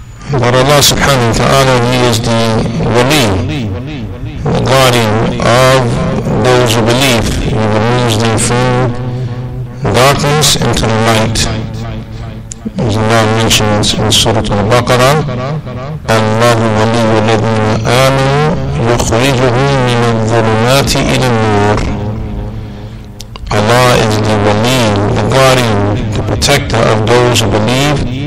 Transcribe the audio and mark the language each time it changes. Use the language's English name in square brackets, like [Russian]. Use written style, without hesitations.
[English] But Allah subhanahu wa ta'ala, He is the wali, the guardian of those who believe. He removes them from darkness into the light. As Allah mentions in Surah Al-Baqarah, [Arabic] اللَّهُ وَلِيُّ الَّذِينَ آمَنُوا يُخْرِجُهُمْ مِنَ الظُّلُمَاتِ إِلَى النُّورِ. [English] Allah is the wali, the guardian, the protector of those who believe.